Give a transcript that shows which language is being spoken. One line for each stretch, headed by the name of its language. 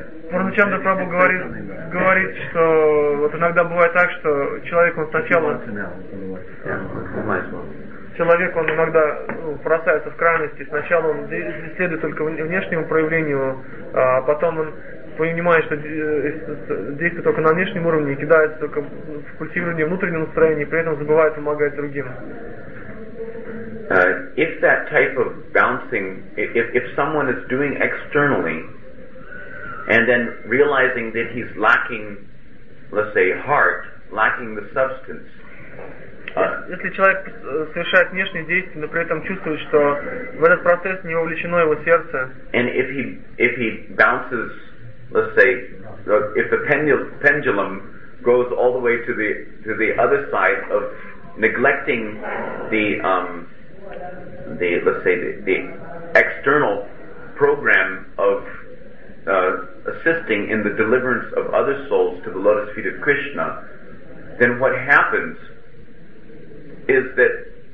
Russian: Парамачандра Прабху говорит, что вот иногда бывает так, что человек он сначала иногда бросается в крайности, сначала он следует только внешнему проявлению, а потом он понимает, что действует только на внешнем уровне и кидается только в культивирование внутреннего настроения, и при этом забывает помогать другим.
English: If that type of bouncing, if someone is doing externally and then realizing that he's lacking, let's say, heart, lacking the substance.
Russian: Если человек совершает внешние действия, но при этом чувствует, что в этот процесс не вовлечено его сердце.
English: And if he bounces, let's say, if the pendulum goes all the way to the other side of neglecting the external program of assisting in the deliverance of other souls to the lotus feet of Krishna, then what happens is that